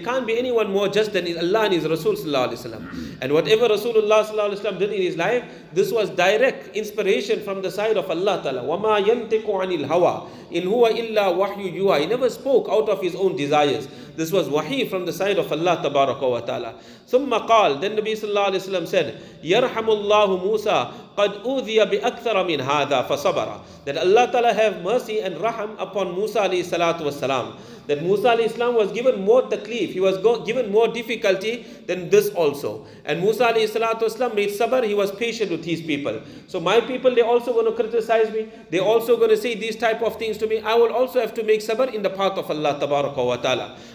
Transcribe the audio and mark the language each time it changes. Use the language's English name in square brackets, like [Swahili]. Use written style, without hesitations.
[English] There can't be anyone more just than Allah and His Rasul sallallahu alayhi wa sallam. And whatever Rasulullah sallallahu alayhi wa sallam did in his life, this was direct inspiration from the side of Allah ta'ala. [Arabic] وَمَا يَنْتِقُ عَنِ الْهَوَى إِنْ هُوَ إِلَّا وَحْيُ يُوَى. [English] He never spoke out of his own desires. This was wahi from the side of Allah tabaraka wa ta'ala. [Arabic] ثُمَّ قَال. [English] Then Nabi sallallahu alayhi wa sallam said, [Arabic] يَرْحَمُ اللَّهُ مُوسَى قَدْ أُوذِيَ بِأَكْثَرَ مِنْ هَذَا فَصَبَرَ. [English] That Allah ta'ala have mercy and rahm upon Musa alayhi salatu wasalam. That Musa alayhi salam was given more taklif, he was given more difficulty than this also. And Musa alayhi salatu wasalam made sabr, he was patient with his people. So my people, they also going to criticize me, they also going to say these type of things to me. I will also have to make sabr in the path of Allah tabaraka wa ta'ala.